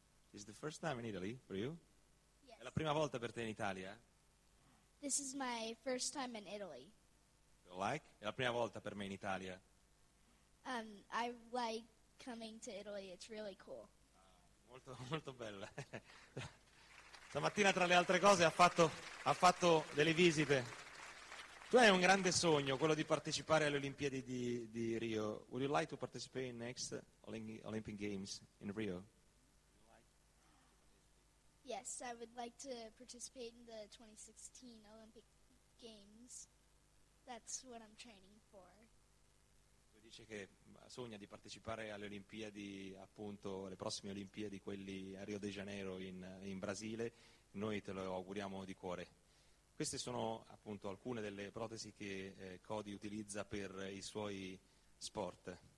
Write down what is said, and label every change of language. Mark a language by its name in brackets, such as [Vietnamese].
[English] Is the first time in Italy for you? [Italian] È la prima volta per te in Italia? [English] This is my first time in Italy. You like? [Italian] È la prima volta per me in Italia. [English] I like coming to Italy. It's really cool. [Italian] Molto molto bella. Stamattina, tra le altre cose, ha fatto delle visite. Tu hai un grande sogno, quello di partecipare alle Olimpiadi di Rio. [English] Would you like to participate in next Olympic Games in Rio? Yes, I would like to participate in the 2016 Olympic Games. That's what I'm training for. [Italian] Tu dici che sogna di partecipare alle Olimpiadi, appunto, le prossime Olimpiadi, quelli a Rio de Janeiro in Brasile. Noi te lo auguriamo di cuore. Queste sono, appunto, alcune delle protesi che Cody utilizza per i suoi sport.